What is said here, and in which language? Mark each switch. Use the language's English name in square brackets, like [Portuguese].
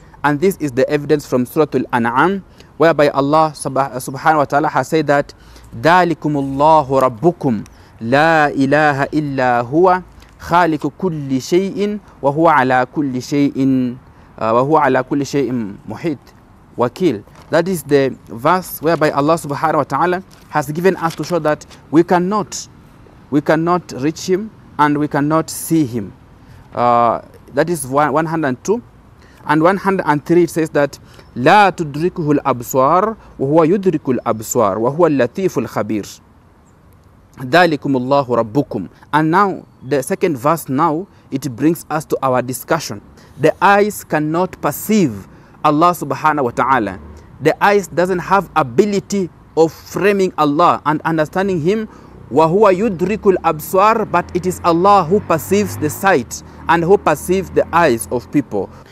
[English] And this is the evidence from Surah Al-An'am, whereby Allah subhanahu wa ta'ala has said that [Arabic] ذَلِكُمُ اللَّهُ رَبُّكُمْ لَا إِلَهَ إِلَّا هُوَ خَالِكُ كُلِّ شَيْءٍ وَهُوَ عَلَى كُلِّ شَيْءٍ مُحِيط وَكِيل. [English] That is the verse whereby Allah subhanahu wa ta'ala has given us to show that we cannot reach him and we cannot see him. That is 102. And 103, it says that [Arabic] لا تدركه الأبصار وهو يدرك الأبصار وهو اللطيف الخبير ذلكم الله ربكم. [English] And now the second verse, now it brings us to our discussion. The eyes cannot perceive Allah subhanahu wa ta'ala. The eyes doesn't have ability of framing Allah and understanding him. [Arabic] وهو يدرك الأبصار, [English] but it is Allah who perceives the sight and who perceives the eyes of people.